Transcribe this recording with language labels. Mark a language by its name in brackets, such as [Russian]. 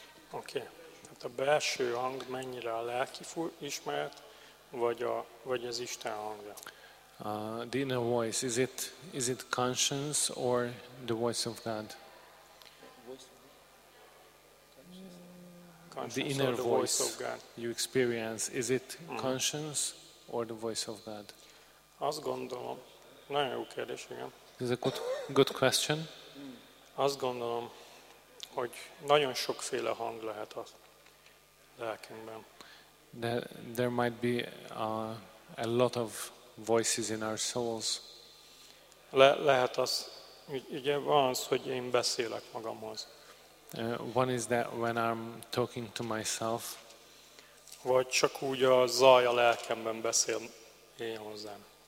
[Hungarian] Oké. Okay. Hát a belső hang mennyire a lelki ismeret, vagy az Isten hangja? [English] The inner voice, is it conscience or the voice of God? The inner the voice of God. You experience, is it conscience or the voice of God? [Hungarian] Azt gondolom, nagyon jó kérdés, igen. [English] This is a good question. [Hungarian] Azt gondolom, hogy nagyon sokféle hang lehet a lelkünkben. [English] There might be a lot of voices in our souls. [Hungarian] Lehet az, ugye van az, hogy én beszélek magamhoz. [English] One is that when I'm talking to myself. [Hungarian] Vagy csak úgy a zaj a lelkemben beszél én hozzám.